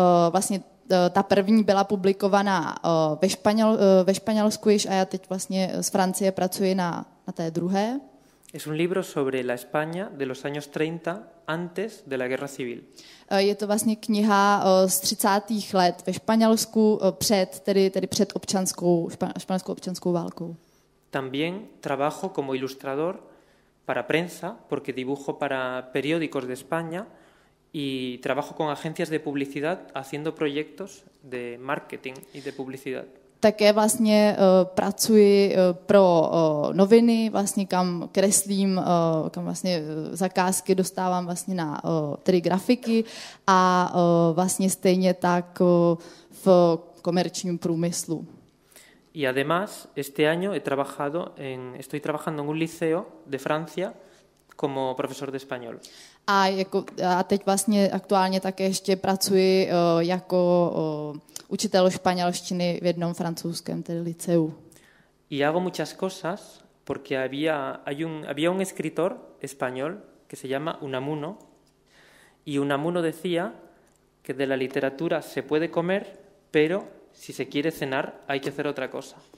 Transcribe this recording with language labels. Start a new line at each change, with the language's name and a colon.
Czech: Vlastně ta první byla publikovaná ve Španělsku již a já teď vlastně z Francie pracuji na té druhé.
Spanish: Es un libro sobre la España de los años 30 antes de la Guerra Civil.
Czech: Je to vlastně kniha z 30. let ve Španělsku před tedy před španělskou občanskou válkou.
Spanish: También trabajo como ilustrador para prensa porque dibujo para periódicos de España y trabajo con agencias de publicidad haciendo proyectos de marketing y de publicidad.
Czech: Také vlastně pracuji pro noviny, vlastně kam kreslím, kam vlastně zakázky dostávám vlastně na tedy grafiky a vlastně stejně tak v komerčním průmyslu.
Spanish: Y además, este año estoy trabajando en un liceo de Francia como profesor de español.
Czech: A teď vlastně aktuálně také ještě pracuji jako učitel španělštiny v jednom francouzském tedy liceu.
Spanish: Y hago muchas cosas porque había un escritor español que se llama Unamuno y Unamuno decía que de la literatura se puede comer, pero si se quiere cenar hay que hacer otra cosa.